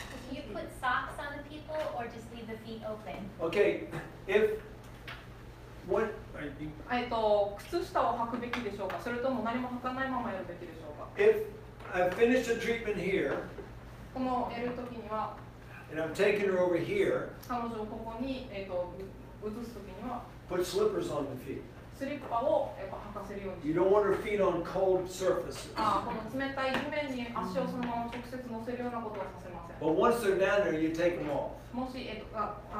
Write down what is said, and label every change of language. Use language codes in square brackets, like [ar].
[en] Do you put socks on the people or just leave the feet open? Okay, if what are you? [ja] 靴下を履くべきでしょうか?それとも何も履かないままやるべきでしょうか? [en] If I finish the treatment here, [ja] このやる時には, [en] and I'm taking her over here, [ja] 彼女をここに, 移す時には, [en] put slippers on the feet. [ja] スリッパを履かせるように。 [en] You don't want her feet on cold surfaces. [ja] この冷たい地面に足をそのまま直接乗せるようなことはさせません。 [en] But once they're down there, you take them off.